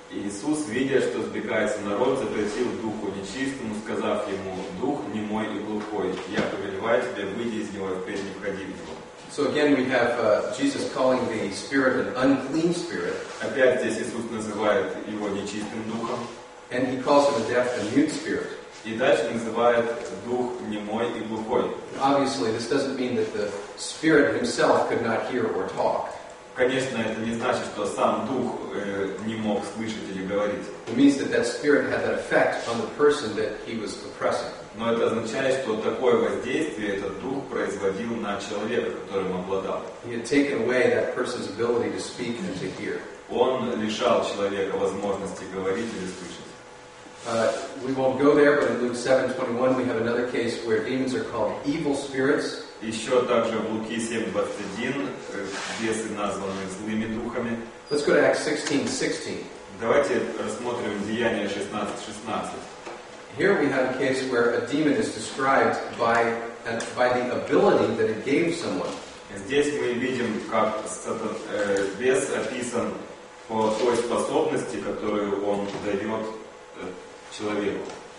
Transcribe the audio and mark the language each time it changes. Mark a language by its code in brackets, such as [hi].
[ru] Иисус, видя, что сбегается народ, запретил духу нечистому, сказав ему: «Дух немой и глухой, я повелеваю тебе, выйди из него, впредь не входи в него». [en] So again, we have Jesus calling the spirit an unclean spirit. [ru] Опять здесь Иисус называет его нечистым духом. [en] And he calls him a deaf and mute spirit. [ru] И дальше называет дух немой и глухой. [en] Obviously, this doesn't mean that the spirit himself could not hear or talk. [ru] Конечно, это не значит, что сам дух не мог слышать или говорить. [en] It means that spirit had that effect on the person that he was oppressing. [ru] Но это означает, что такое воздействие этот дух производил на человека, которым обладал. [en] He had taken away that person's ability to speak and to hear. [ru] Он лишал человека возможности говорить или слышать. [en] We won't go there, but in Luke 7:21 we have another case where demons are called evil spirits. [ru] Еще также в Луки 7:21 бесы названы злыми духами. [en] Let's go to Acts 16:16. [ru] Давайте рассмотрим Деяния 16:16. [en] Here we have a case where a demon is described by the ability that it gave someone. [ru] Здесь мы видим, как бес описан по той способности, которую он дает человеку.